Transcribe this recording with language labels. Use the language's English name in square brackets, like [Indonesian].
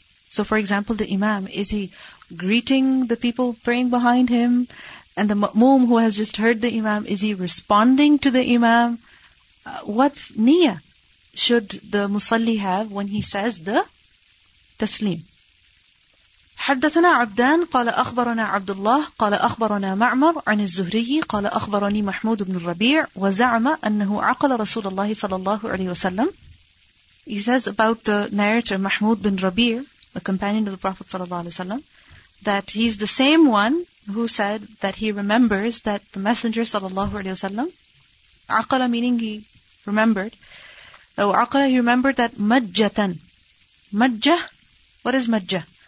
[English] So for example, the imam, is he greeting the people praying behind him? And the ma'moom who has just heard the imam, is he responding to the imam? What niyyah should the musalli have when he says the taslim? [Arabic] حدثنا عبدان قال أخبرنا عبد الله قال أخبرنا معمر عن الزهري قال أخبرني محمود بن الربيع وزعم أنه عقل رسول الله صلى الله عليه وسلم. [English] He says about the narrator Mahmud bin Rabi', the companion of the Prophet [Arabic] صلى الله عليه وسلم, [English] that he's the same one who said that he remembers that the Messenger [Arabic] صلى الله عليه وسلم عقل, [English] meaning he remembered. [Arabic] أو عقل, [English] he remembered that مجتن. مجه, what is مجه?